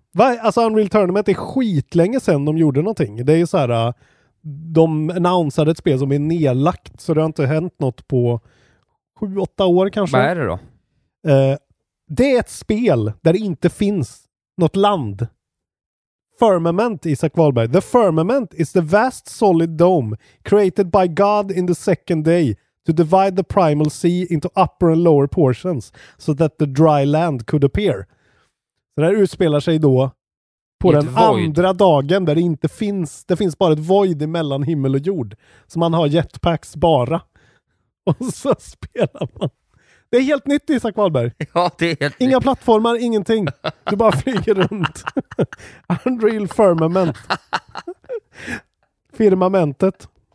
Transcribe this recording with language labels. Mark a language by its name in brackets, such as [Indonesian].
[Swedish] Alltså Unreal Tournament är skitlänge sedan de gjorde någonting. Det är ju så här, de annonsade ett spel som är nedlagt, så det har inte hänt något på 7-8 år kanske. Vad är det då? Det är ett spel där det inte finns något land. Firmament, Isak Wahlberg. [English] The firmament is the vast solid dome created by God in the second day to divide the primal sea into upper and lower portions so that the dry land could appear. [Swedish] Så det här utspelar sig då på den andra dagen där det finns bara ett void mellan himmel och jord. Så man har jetpacks bara. Och så spelar man. Det är helt nytt, Isak Wahlberg. Ja, det är helt nytt. Inga plattformar, ingenting. Du bara flyger runt. Unreal Firmament. Firmamentet.